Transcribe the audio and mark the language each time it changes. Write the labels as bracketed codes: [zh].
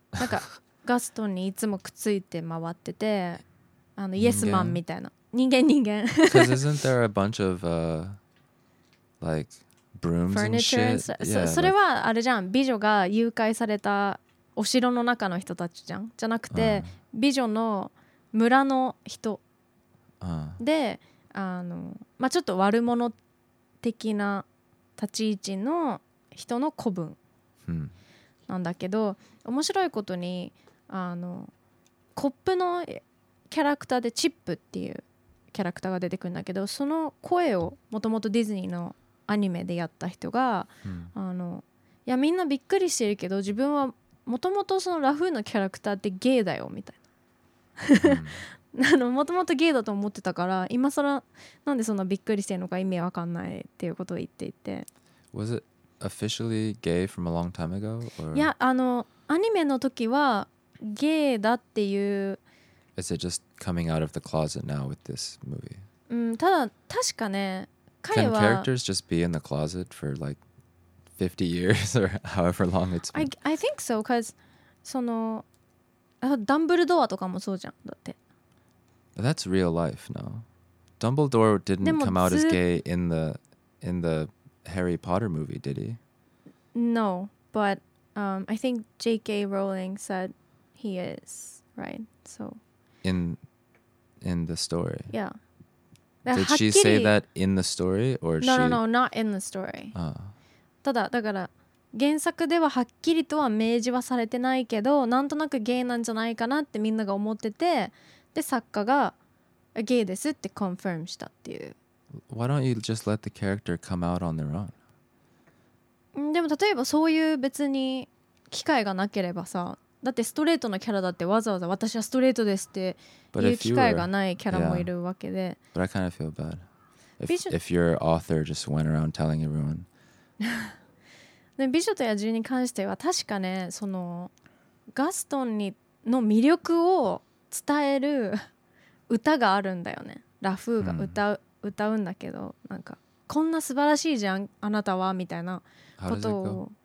[ja] なんかガストンにいつもくっついて回ってて、イエスマンみたいな人間人間。 [en] Because isn't there a bunch of like brooms and shit? Yeah, [ja] それはあれじゃん。美女が誘拐されたお城の中の人たちじゃん。じゃなくて、美女の村の人で、まあ、ちょっと悪者的な立ち位置の人の子分なんだけど、面白いことにコップのキャラクターでチップっていうキャラクターが出てくるんだけど、その声をもともとディズニーのアニメでやった人が、いやみんなびっくりしてるけど自分はもともとそのラフーのキャラクターってゲイだよみたいな、もともとゲイだと思ってたから今さらなんでそんなびっくりしてるのか意味わかんないっていうことを言っていて。 [en] Was it officially gay from a long time ago? Or? [ja] いやアニメの時はゲイだっていう。 [en] Is it just coming out of the closet now with this movie? [ja] ただ確かね彼は [en] Can characters just be in the closet for like 50 years or however long it's been? I think so, because [ja] そのダンブルドアとかもそうじゃん、だって。 [en] That's real life, no? Dumbledore didn't come out as gay in the Harry Potter movie, did he? No, but I think J.K. Rowling said he is, right? So in the story? Yeah. Did she say that in the story? Or no, she... no, not in the story. Oh. [ja] ただ、だから原作でははっきりとは明示はされてないけど、なんとなくゲイなんじゃないかなってみんなが思ってて、で作家がゲイですってコンフィームしたっていう。 [en] Why don't you just let the character come out on their own? [ja] でも例えばそういう別に機会がなければさ、だってストレートなキャラだってわざわざ私はストレートですっていう機会がないキャラもいるわけで。 [en] But I kind of feel bad. If your author just went around telling everyone. [ja] で美女と野獣に関しては確かねそのガストンにの魅力を伝える歌があるんだよね。ラフーが歌うんだけど、なんかこんな素晴らしいじゃんあなたはみたいなことを。